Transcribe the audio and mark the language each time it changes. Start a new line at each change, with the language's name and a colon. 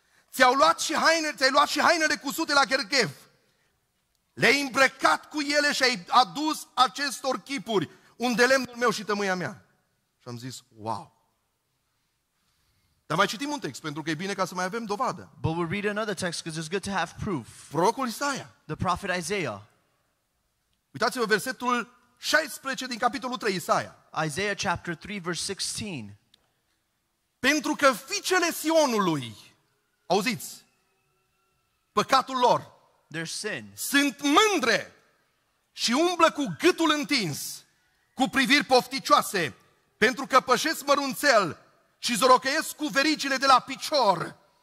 Romanian: Ți-ai luat și hainele cusute la gherghev, le-ai îmbrăcat cu ele și ai adus acestor chipuri unde lemnul meu și tămâia mea. Și am zis, wow! Dar mai citim un text, pentru că e bine ca să mai avem dovadă.
English: But we'll read another text because it's good to have proof.
Romanian: Prorocul Isaia.
English: The prophet Isaiah.
Romanian: Uitați-vă versetul 16 din capitolul 3, Isaia.
English: Isaiah chapter 3, verse 16.
Romanian: Pentru că fiicele Sionului, auziți, păcatul lor,
English: their sin,
Romanian: sunt mândre și umblă cu gâtul întins, cu priviri pofticioase, pentru că pășesc mărunțel și zorocăiesc cu verigile de la picior.